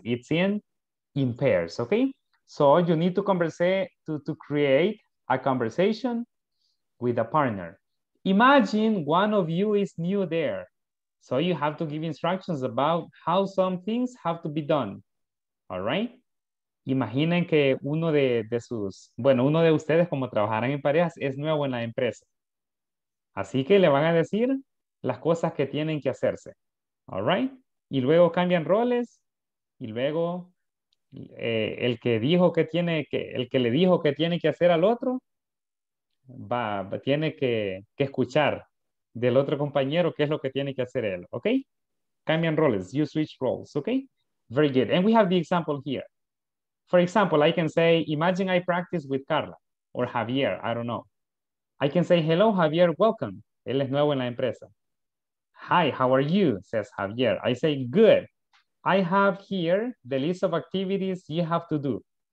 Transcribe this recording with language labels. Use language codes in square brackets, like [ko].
[en] It's in pairs, okay? So you need to converse to create a conversation with a partner. Imagine one of you is new there. So you have to give instructions about how some things have to be done. All right? [es] Imaginen que uno de sus, bueno, uno de ustedes como trabajarán en parejas es nuevo en la empresa. Así que le van a decir las cosas que tienen que hacerse. All right? Y luego cambian roles y luego el que dijo que tiene que, el que le dijo que tiene que hacer al otro, va, tiene que escuchar del otro compañero qué es lo que tiene que hacer él, ¿ok? Cambian roles, [en] you switch roles, ¿ok? Very good. And we have the example here. For example, I can say, imagine I practice with Carla or Javier, I don't know. I can say, hello, Javier, welcome. [es] Él es nuevo en la empresa. [en] Hi, how are you? Says Javier. I say, good. I have here the list of activities you have to do.